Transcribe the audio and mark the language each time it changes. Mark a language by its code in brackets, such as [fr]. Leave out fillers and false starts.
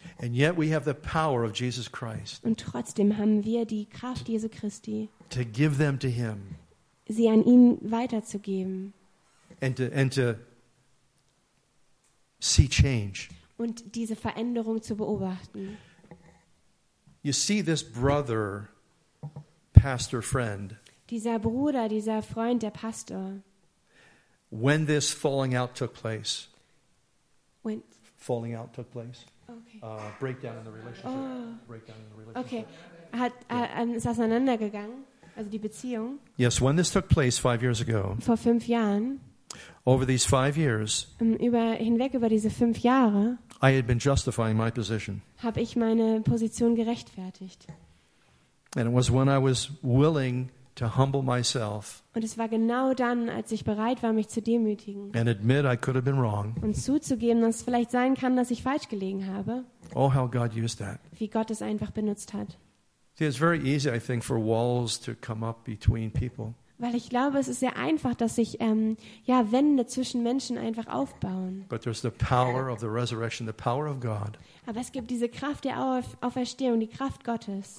[en] And yet we have the power of Jesus Christ. [de] Und trotzdem haben wir die Kraft Jesu Christi. [en] To give them to him. [de] Sie an ihn weiterzugeben. [en] And to see change. [de] Und diese Veränderung zu beobachten. [en] You see this brother, pastor friend. [de] Dieser Bruder, dieser Freund, der Pastor. [en] When this falling out took place. When falling out took place. Okay. Breakdown in the relationship. Oh. Breakdown in the relationship. [de] Okay. Hat ist auseinandergegangen, also die Beziehung. [en] Yes, when this took place 5 years ago. [de] Vor 5 Jahren. [en] Over these 5 years. [de] Hinweg über diese 5 Jahre. [en] I had been justifying my position. [de] Habe ich meine Position gerechtfertigt. [en] And it was when I was willing to humble myself. [de] Und es war genau dann, als ich bereit war, mich zu demütigen. [en] And admit I could have been wrong. [de] Und zuzugeben, dass es vielleicht sein kann, dass ich falsch gelegen habe. [en] Oh, how God used that. [de] Wie Gott es einfach benutzt hat. [en] See, it's very easy, I think, for walls to come up between people. [de] Weil ich glaube, es ist sehr einfach, dass sich Wände zwischen Menschen einfach aufbauen. [en] But there's the power of the resurrection, the power of God. [de] Aber es gibt diese Kraft der Auferstehung, die Kraft Gottes.